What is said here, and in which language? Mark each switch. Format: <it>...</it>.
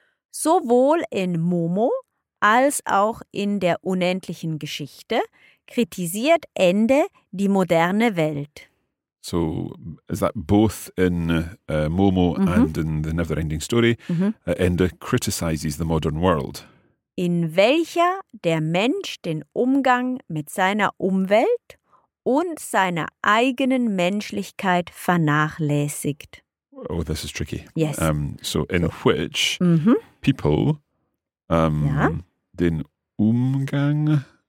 <de>Sowohl in Momo als auch in der unendlichen Geschichte kritisiert Ende die moderne Welt.</de> <en>So is that both in Momo and in The Neverending Story, Ende criticizes the modern world.</en> <de>In welcher der Mensch den Umgang mit seiner Umwelt und seiner eigenen Menschlichkeit vernachlässigt.</de> <en>Oh, this is tricky. Yes. So in which people</en> <de>den Umgang...</de>